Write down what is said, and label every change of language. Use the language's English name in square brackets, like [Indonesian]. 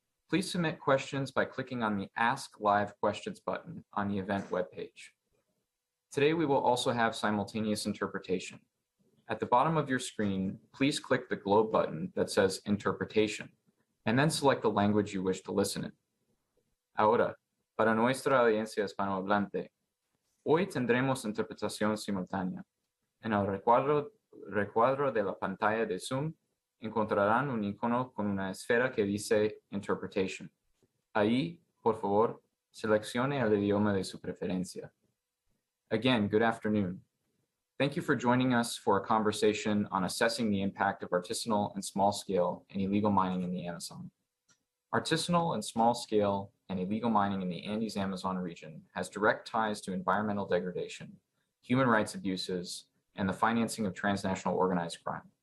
[English] Please submit questions by clicking on the Ask Live Questions button on the event webpage. Today, we will also have simultaneous interpretation. At the bottom of your screen, please click the globe button that says Interpretation, and then select the language you wish to listen in. [Spanish] Ahora, para nuestra audiencia hispanohablante, hoy tendremos interpretación simultánea. En el recuadro de la pantalla de Zoom, encontrarán un icono con una esfera que dice Interpretation. Ahí, por favor, seleccione el idioma de su preferencia. [English] Again, good afternoon. Thank you for joining us for a conversation on assessing the impact of artisanal and small-scale and illegal mining in the Amazon. Artisanal and small-scale and illegal mining in the Andes Amazon region has direct ties to environmental degradation, human rights abuses, and the financing of transnational organized crime.